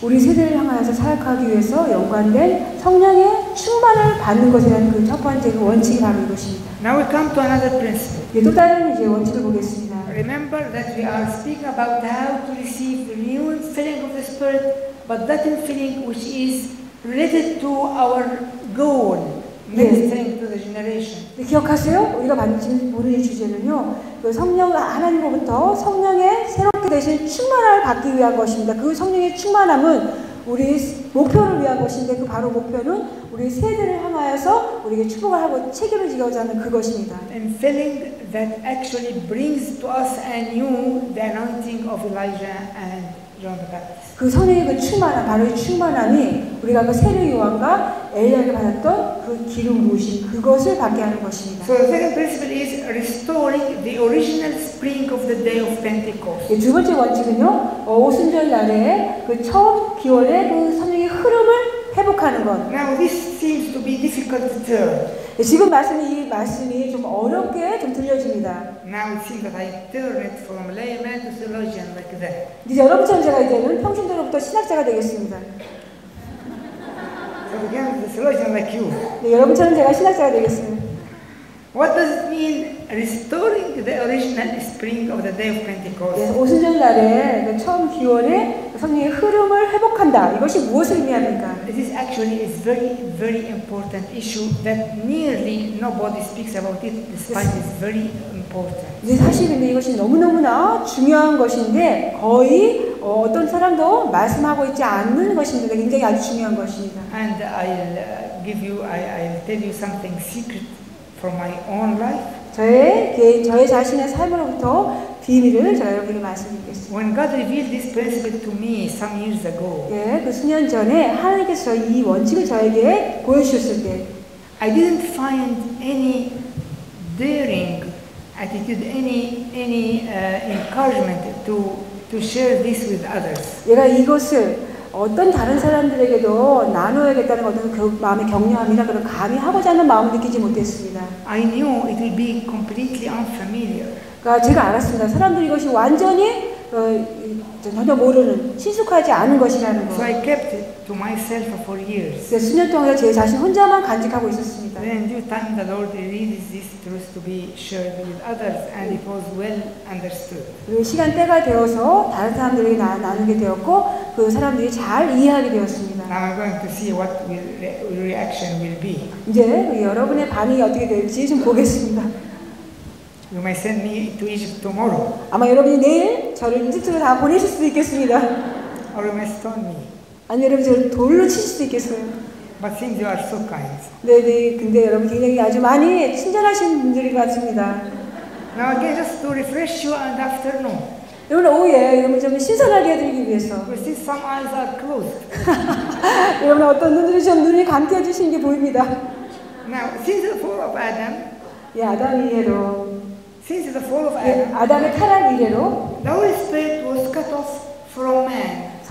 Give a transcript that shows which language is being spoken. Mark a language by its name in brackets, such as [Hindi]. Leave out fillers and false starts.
[Korean] 우리 세대를 향하여서 사역하기 위해서 연관된 성령의 충만을 받는 것이라는 그 첫 번째 그 원칙이 바로 이것입니다. [English] Now we come to another principle. [Korean] 예, 또 다른 이제 원칙을 보겠습니다. [English] Remember that we are speaking about how to receive the new feeling of the spirit, but that feeling which is related to our goal. [Korean] 네. The 기억하세요? 우리가 만든 오늘의 주제는요, 그 성령 하나님으로부터 성령의 새롭게 되신 충만함을 받기 위한 것입니다. 그 성령의 충만함은 우리 목표를 위한 것인데, 그 바로 목표는 우리 세대를 향하여서 우리에게 축복을 하고 책임을 지겨자 하는 그것입니다. [English] And feeling that actually brings to us anew the anointing of Elijah and [Korean] 그 성령의 그 충만함, 바로 이 충만함이 우리가 그 세례 요한과 엘리야를 받았던 그 기름 부으심 그것을 받게 하는 것입니다. [English] So the second principle is restoring the original spring of the day of Pentecost. [Korean] 예, 두 번째 원칙은요, 오순절 날에 그 처음 기원의 그 성령의 흐름을 회복하는 것. [English] Now this seems to be difficult term. [Korean] 예, 지금 말씀이 좀 어렵게 좀 들려집니다. [English] Now it seems that I turn it from layman to theologian like that. [Korean] 이제 여러분처럼 제가 이제는 평신도로부터 신학자가 되겠습니다. [English] So again, the theologian like you. [Korean] 네, 여러분처럼 제가 신학자가 되겠습니다. [English] What does it mean restoring the original spring of the day of Pentecost? [Korean] 예, 오순절 날에 그 처음 기원의 성령의 흐름을 회복한다. 이것이 무엇을 의미합니까? [English] This is actually a very, very important issue that nearly nobody speaks about it, despite it's very important. [Korean] 이제 사실은 이것이 너무너무나 중요한 것인데 거의 어떤 사람도 말씀하고 있지 않는 것입니다. 굉장히 아주 중요한 것입니다. [English] And I'll give you, I'll tell you something secret. From my own life. [Korean] 저의 자신의 삶으로부터 비밀을 제가 여러분에게 말씀드리겠습니다. [English] When God revealed this principle to me some years ago. [Korean] 예, 그 수년 전에 하나님께서 이 원칙을 저에게 보여주셨을 때, [English] I didn't find any daring attitude, any encouragement to share this with others. [Korean] 얘가 이것을 어떤 다른 사람들에게도 나누어야겠다는 어떤 그 마음의 격려함이나 그런 감히 하고자 하는 마음을 느끼지 못했습니다. [English] I knew it would be completely unfamiliar. [Korean] 그러니까 제가 알았습니다. 사람들이 이것이 완전히 전혀 모르는, 친숙하지 않은 것이라는 것. [English] So I kept it to myself for years. [Korean] 네, 수년 동안 제 자신 혼자만 간직하고 있었습니다. [English] Then due time the Lord released this truth to be shared with others and it was well understood. [Korean] 그리고 시간 때가 되어서 다른 사람들에게 나누게 되었고 그 사람들이 잘 이해하게 되었습니다. [English] Now I'm going to see what reaction will be. [Korean] 이제 여러분의 반응이 어떻게 될지 좀 보겠습니다. [English] You may send me to Egypt tomorrow. [Korean] 아마 여러분이 내일 저를 이집트로 다 보내실 수도 있겠습니다. [English] Or you may stone me. [Korean] 아니 여러분 저를 돌로 칠 수도 있겠어요. [English] But since you are so kind. [Korean] 네네. 근데 여러분 굉장히 아주 많이 친절하신 분들이 같습니다. [English] Now again, just to refresh you in the afternoon. [Korean] 여러분 오후에 여러분 좀 신선하게 해드리기 위해서. [English] But since some eyes are closed. [Korean] 여러분 어떤 눈들이 좀 눈이 감겨 주시는 게 보입니다. [English] Now since the fall of Adam. [Korean] 예, 아담 이후로. [English] Since the fall of Adam, 예, [Korean] 아담의 타락 이래로 [English] the Holy Spirit was cut off from man.